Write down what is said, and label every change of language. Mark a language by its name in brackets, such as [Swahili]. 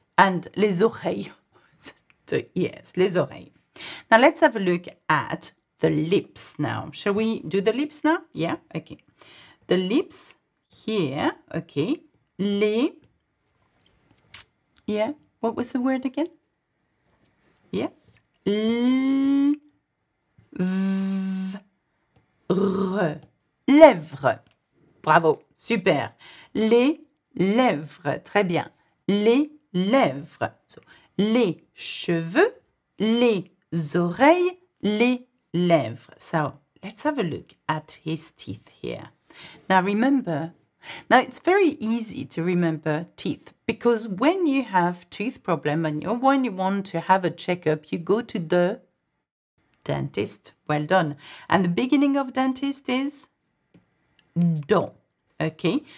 [French] And les oreilles. [English] The ears, [French] les oreilles. [English] Now let's have a look at the lips now. Shall we do the lips now? Yeah, okay. The lips. Here, okay, les, yeah, what was the word again? [French] Yes, lèvres, lèvres, bravo, super, les lèvres, très bien, les lèvres, so, les cheveux, les oreilles, les lèvres. [English] So, let's have a look at his teeth here. Now, remember, now, it's very easy to remember teeth because when you have tooth problem and when you want to have a checkup, you go to the dentist. Well done. And the beginning of dentist is dent. Okay.